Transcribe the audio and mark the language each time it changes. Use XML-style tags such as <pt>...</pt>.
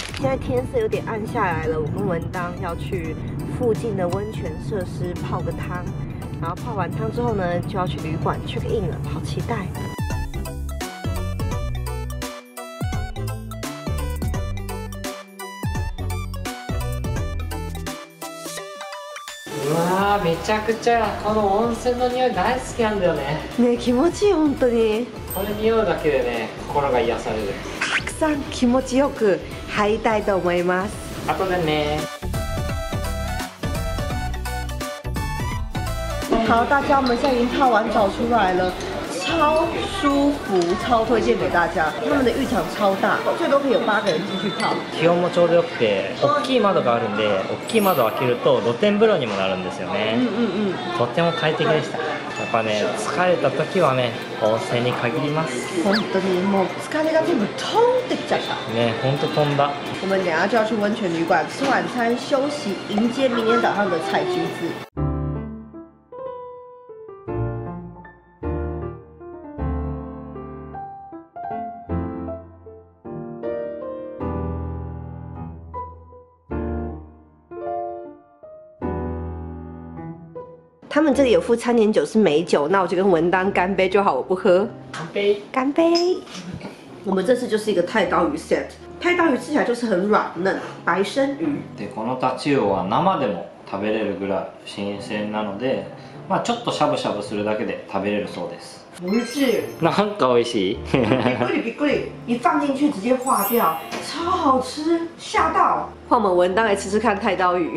<zh>现在天色有点暗下来了，我们文当要去附近的温泉设施泡个汤。然后泡完汤之后呢，就要去旅馆 check in 了，好期待。</zh> <ja>哇，めちゃくちゃこの温泉の匂い大好きなんだよね。ね、気持ちいい本当に。これ匂うだけでね、心が癒される。たくさん気持ちよく入りたいと思います。あとでね。</ja> <zh>好，大家，我们现在已经泡完澡出来了，超舒服，超推荐给大家。他们的浴场超大，最多可以有八个人进去泡。</zh> <ja>気温もちょうどよくて、大きい窓があるんで、大きい窓を開けると露天風呂にもなるんですよね。嗯嗯嗯。とても快適でした。やっぱね、疲れた時はね、温泉に限ります。本当にもう疲れが全部飛んできちゃった。ね、本当飛んだ。</ja> <zh>我们等下就要去温泉旅馆吃晚餐休息，迎接明天早上的采橘子。他们这里有附餐点酒，是美酒，那我就跟文当干杯就好，我不喝。干杯，干杯。我们这次就是一个太刀鱼 set， 太刀鱼吃起来就是很软嫩，白身鱼。</zh> <ja>でこのタチウオは生でも食べれるぐらい新鮮なので、まあちょっとしゃぶしゃぶするだけで食べれるそうです。美味しい。なんか美味しい。びっくりびっくり，</ja> <zh>一放进去直接化掉，超好吃，吓到。换我们文当来吃吃看太刀鱼。</zh>